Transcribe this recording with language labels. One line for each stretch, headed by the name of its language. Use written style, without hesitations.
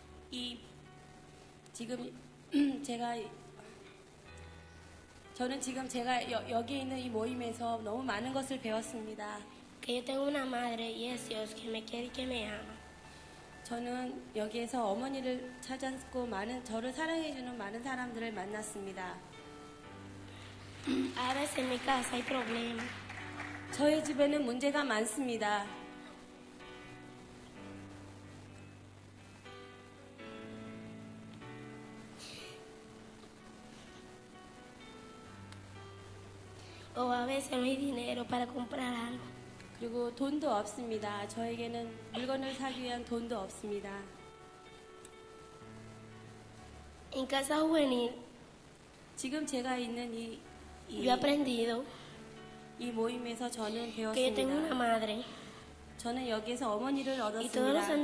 Korean: 이 지금 제가 저는 지금 제가 여기 있는 이 모임에서 너무 많은 것을 배웠습니다.
Spanish: Que yo tengo una madre y es Dios que me quiere y que me ama.
Korean: 저는 여기에서 어머니를 찾았고 많은 저를 사랑해 주는 많은 사람들을 만났습니다.
Spanish: A veces en mi casa hay problemas.
Korean: 저희 집에는 문제가 많습니다.
Spanish: O a veces no hay dinero para comprar algo.
Korean: 그리고 돈도 없습니다. 저에게는 물건을 사기 위한 돈도 없습니다.
Spanish: En casa juvenil
Korean: 지금 제가 있는 이
Spanish: Yo he aprendido
Korean: 이 모임에서 저는 배웠습니다. 저는 여기에서 어머니를 얻었습니다.